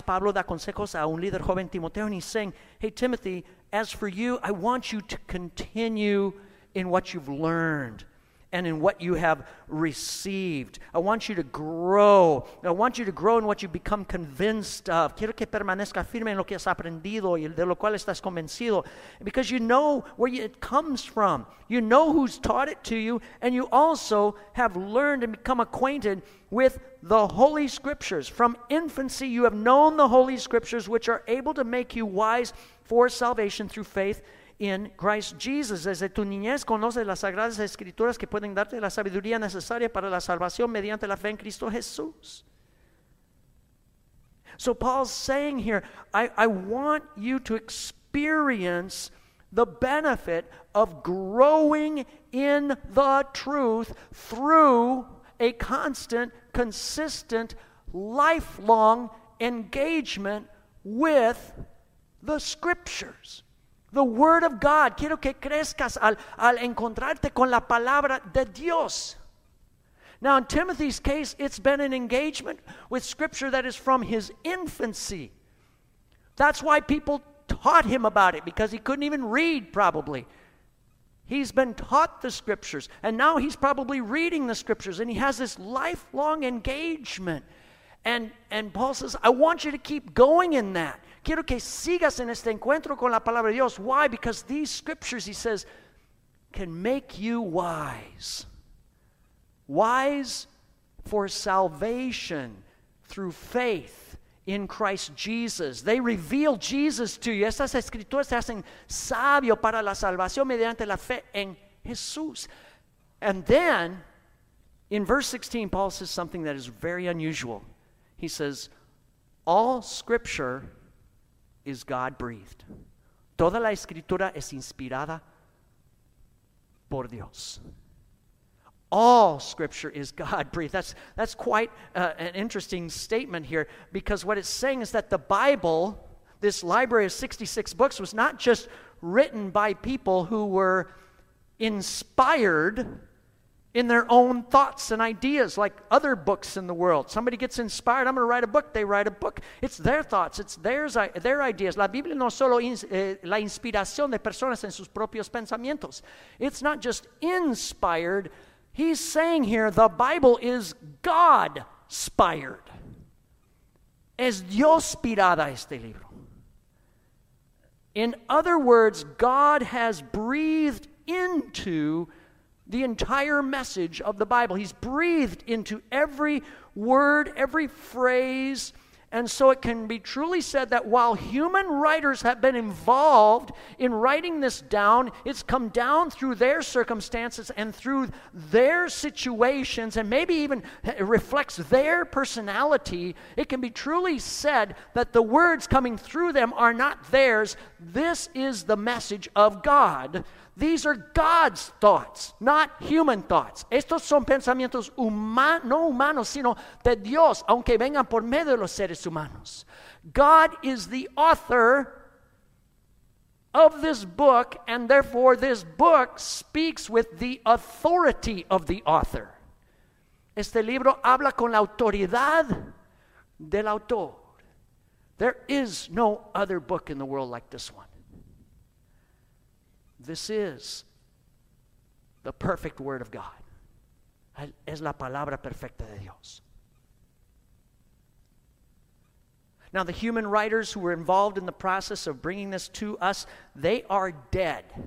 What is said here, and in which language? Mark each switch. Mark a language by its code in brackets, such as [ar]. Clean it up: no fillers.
[es] Pablo da consejos a un líder joven, Timoteo, [en] and he's saying, hey, Timothy, as for you, I want you to continue in what you've learned. and in what you have received. I want you to grow. I want you to grow in what you become convinced of. [es] Quiero que permanezca firme en lo que has aprendido y de lo cual estás convencido. [en] Because you know where it comes from. You know who's taught it to you, and you also have learned and become acquainted with the Holy Scriptures. From infancy, you have known the Holy Scriptures, which are able to make you wise for salvation through faith in Christ Jesus. [es] Desde tu niñez conoces las sagradas escrituras que pueden darte la sabiduría necesaria para la salvación mediante la fe en Cristo Jesús. [en] So Paul's saying here, I want you to experience the benefit of growing in the truth through a constant, consistent, lifelong engagement with the Scriptures. The Word of God. [es] Quiero que crezcas al encontrarte con la palabra de Dios. [en] Now, in Timothy's case, it's been an engagement with Scripture that is from his infancy. That's why people taught him about it, because he couldn't even read, probably. He's been taught the Scriptures, and now he's probably reading the Scriptures, and he has this lifelong engagement. And Paul says, I want you to keep going in that. [es] Quiero que sigas en este encuentro con la palabra de Dios. [en] Why? Because these scriptures, he says, can make you wise. Wise for salvation through faith in Christ Jesus. They reveal Jesus to you. [es] Estas escrituras te hacen sabio para la salvación mediante la fe en Jesús. [en] And then, in verse 16, Paul says something that is very unusual. He says, all scripture is God-breathed. [es] Toda la escritura es inspirada por Dios. [en] All scripture is God-breathed. That's quite an interesting statement here, because what it's saying is that the Bible, this library of 66 books, was not just written by people who were inspired in their own thoughts and ideas, like other books in the world. Somebody gets inspired, I'm going to write a book, they write a book. It's their thoughts, it's their ideas. [es] La Biblia no solo la inspiración de personas en sus propios pensamientos. [en] It's not just inspired. He's saying here, the Bible is God-spired. [es] Es Dios-spirada este libro. [en] In other words, God has breathed into the entire message of the Bible. He's breathed into every word, every phrase. And so it can be truly said that while human writers have been involved in writing this down, it's come down through their circumstances and through their situations, and maybe even reflects their personality. It can be truly said that the words coming through them are not theirs. This is the message of God. These are God's thoughts, not human thoughts. [es] Estos son pensamientos no humanos, sino de Dios, aunque vengan por medio de los seres humanos. [en] God is the author of this book, and therefore this book speaks with the authority of the author. [es] Este libro habla con la autoridad del autor. [en] There is no other book in the world like this one. This is the perfect word of God. [es] Es la palabra perfecta de Dios. [en] Now, the human writers who were involved in the process of bringing this to us, they are dead.